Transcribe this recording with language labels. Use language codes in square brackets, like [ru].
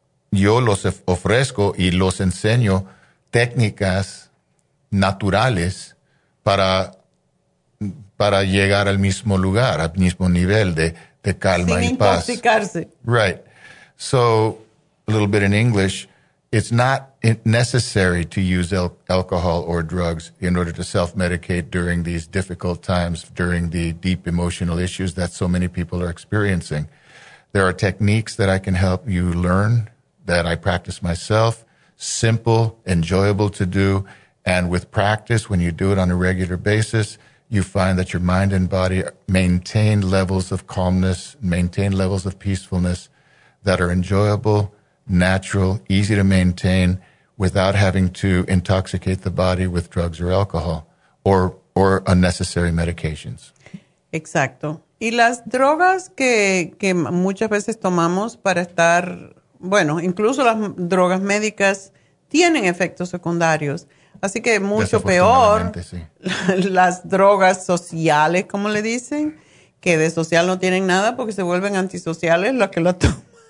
[es] Yo los ofrezco y los enseño técnicas naturales para llegar al mismo lugar, al mismo nivel de calma sin y paz. Sin intoxicarse. [en] Right. So, a little bit in English, it's not necessary to use alcohol or drugs in order to self-medicate during these difficult times, during the deep emotional issues that so many people are experiencing. There are techniques that I can help you learn that I practice myself, simple, enjoyable to do, and with practice, when you do it on a regular basis, you find that your mind and body maintain levels of calmness, maintain levels of peacefulness that are enjoyable, natural, easy to maintain without having to intoxicate the body with drugs or alcohol or unnecessary medications. [es] Exacto. Y las drogas que muchas veces tomamos para estar... Bueno, incluso las drogas médicas tienen efectos secundarios. Así que mucho peor, sí. Las drogas sociales, como le dicen, que de social no tienen nada porque se vuelven antisociales los que lo toman.